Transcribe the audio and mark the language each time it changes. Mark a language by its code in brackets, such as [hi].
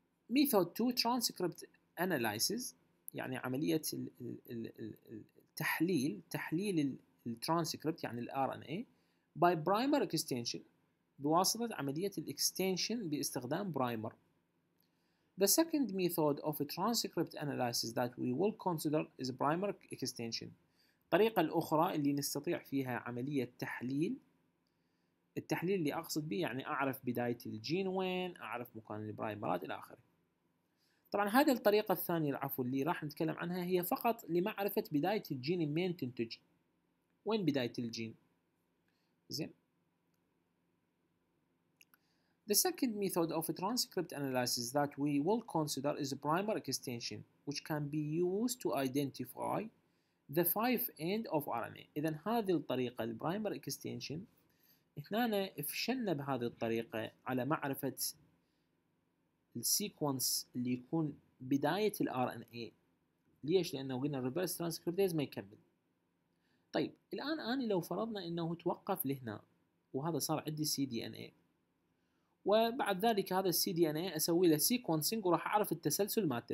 [ar] ميثود 2 ترانسكريبت اناليسيس، يعني عملية التحليل، تحليل الترانسكريبت يعني الـ RNA by primer extension، بواسطة عملية الاكستنشن باستخدام برايمر. [en] The second method of a transcript analysis that we will consider is primer extension. [ar] الطريقة الأخرى اللي نستطيع فيها عملية تحليل، التحليل اللي أقصد به يعني أعرف بداية الجين وين، أعرف مكان البرايمرات إلى آخره. طبعا هذه الطريقة الثانية العفو اللي راح نتكلم عنها هي فقط لمعرفة بداية الجين منين تنتج، وين بداية الجين. زين [en] The second method of a transcript analysis that we will consider is a primer extension which can be used to identify the 5 end of RNA. [ar] اذا هذه الطريقه البرايمر اكستنشن، هنا فشلنا بهذه الطريقه على معرفه السيكونس اللي يكون بدايه الار ان اي. ليش؟ لانه قلنا الريفرس ترانسكريبتيز ما يكمل. طيب الان انا لو فرضنا انه توقف لهنا وهذا صار عندي سي دي ان اي، وبعد ذلك هذا السي دي ان اي اسوي له سيكونسينج وراح اعرف التسلسل مالته.